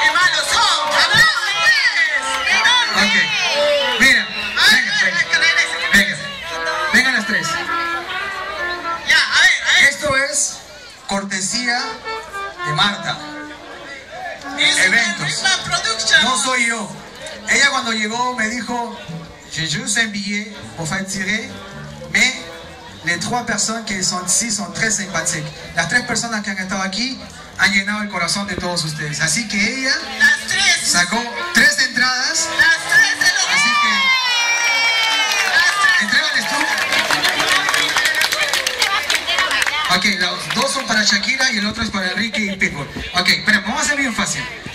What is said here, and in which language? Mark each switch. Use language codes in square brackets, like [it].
[es] ¡Qué malos son! ¡Aplausos! Ok. Mira, venga, venga. Venga las tres. Ya, a ver, a ver. Esto es cortesía de Marta. Eventos. No soy yo. Ella cuando llegó me dijo, [fr] j'ai juste un billet pour faire tirer, mais les trois personnes qui sont ici sont très sympathiques. [es] Las tres personas que han estado aquí han llenado el corazón de todos ustedes. Así que ella sacó tres entradas. Las tres de los así que... Entrégales tú. Ok, los dos son para Shakira y el otro es para Ricky y Pitbull. Ok, pero vamos a hacer bien fácil.